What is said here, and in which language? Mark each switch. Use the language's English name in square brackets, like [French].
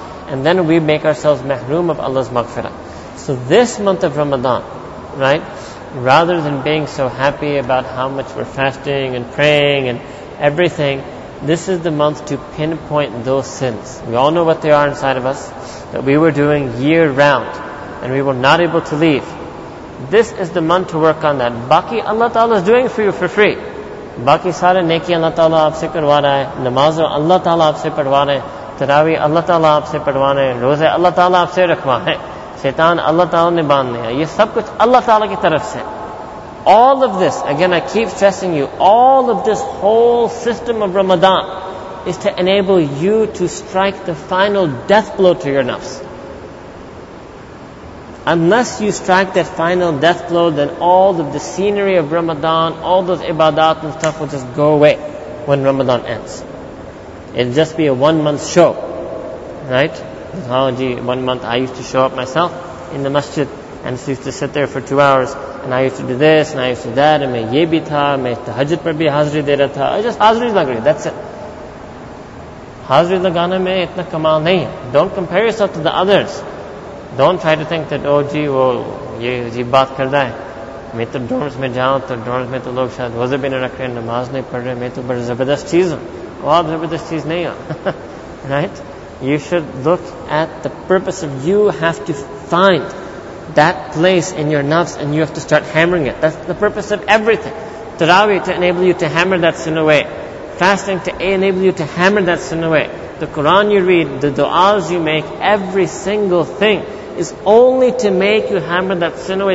[English] and then we make ourselves mahroom of Allah's maghfirah. So this month of Ramadan, right, rather than being so happy about how much we're fasting and praying and everything, this is the month to pinpoint those sins. We all know what they are inside of us, that we were doing year round, and we were not able to leave. This is the month to work on that. Baki Allah Ta'ala is doing for you for free. [Urdu] باقی سارے نیکی اللہ تعالیٰ آپ سے کروانا ہے، نمازو اللہ تعالیٰ آپ سے پڑھوانا ہے، تراویح اللہ تعالیٰ آپ سے پڑھوانا ہے، روزے اللہ تعالیٰ آپ سے رکھوا ہے، شیطان اللہ تعالیٰ نے باندھنے ہے، یہ سب کچھ اللہ تعالیٰ کی طرف سے۔ [English] All of this, again I keep stressing you, all of this whole system of Ramadan is to enable you to strike the final death blow to your nafs. Unless you strike that final death blow, then all of the scenery of Ramadan, all those ibadat and stuff will just go away when Ramadan ends. It'll just be a 1 month show. Right? Analogy, 1 month, I used to show up myself in the masjid and used to sit there for 2 hours and I used to do this and I used to do that and [Urdu] میں یہ بھی تھا، میں تہجد پر بھی حاضری دے رہا تھا۔ [English] I just [Urdu] حاضری لگ رہی، [English] that's it. [Urdu] حاضری لگانا میں اتنا کمال نہیں ہے۔ [English] Don't compare yourself to the others. Don't try to think that, oh gee, well, [Urdu] یہ عجیب بات کرتا ہے۔ میں تو dorms میں جاؤ تو dorms میں تو لوگ شاید روزے بھی نہیں رکھ رہے، نماز نہیں پڑھ رہے، میں تو بڑا زبردست چیز ہوں۔ بہت زبردست چیز نہیں ہے۔ [English] Right? You should look at the purpose of, you have to find that place in your nafs and you have to start hammering it. That's the purpose of everything. Tarawih to enable you to hammer that sin away. Fasting to enable you to hammer that sin away. The Quran you read, the du'as you make, every single thing is only to make you hammer that sin away.